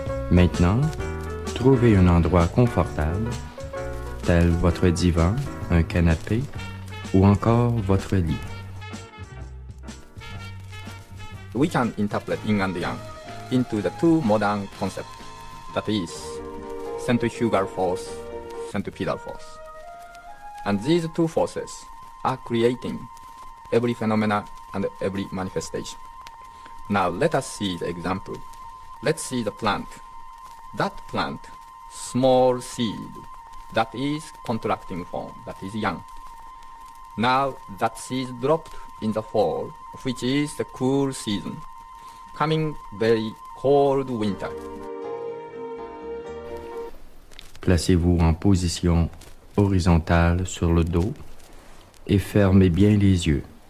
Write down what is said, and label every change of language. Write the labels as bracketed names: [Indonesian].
[French] Maintenant, trouvez un endroit confortable, tel votre divan, un canapé ou encore votre lit. [English] We can interpret Yin and Yang into the two modern concepts, that is, centrifugal force, centripetal force. And these two forces are creating every phenomena and every manifestation. Now let us see the example. Let's see the plant. That plant, small seed, that is contracting form, that is Yang. Now that seed dropped in the fall, which is the cool season, coming very cold winter. [French] Placez-vous en position horizontale sur le dos et fermez bien les yeux.